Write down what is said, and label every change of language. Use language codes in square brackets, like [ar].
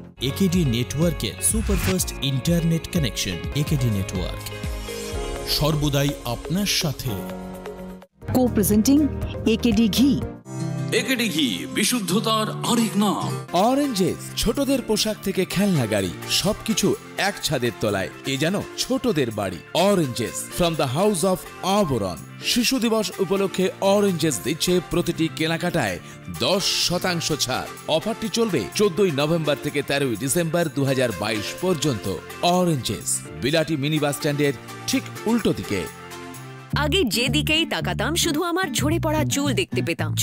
[bn] AKD নেটওয়ার্কের super fast internet connection AKD network, সর্বদাই আপনার সাথে। [en] Co-presenting AKD Ghee. [bn] AKD Ghee, বিশুদ্ধতার আরেক নাম। Oranges, ছোটদের পোশাক থেকে খেলনা গাড়ি, সবকিছু এক ছাদের তলায়, এ যেন ছোটদের বাড়ি। [en] Oranges, from the house of Auburn. [bn] শিশু দিবস উপলক্ষে Oranges দিচ্ছে প্রতিটি কেনাকাটায় 10% ছাড়। অফারটি চলবে 14 নভেম্বর থেকে 13 ডিসেম্বর 2022 পর্যন্ত। Oranges, বিলাটি মিনি বাস স্ট্যান্ডের ঠিক উল্টো দিকে। আগে যেদিকেই তাকাতাম শুধু আমার ঝরে পড়া চুল দেখতে পেতাম।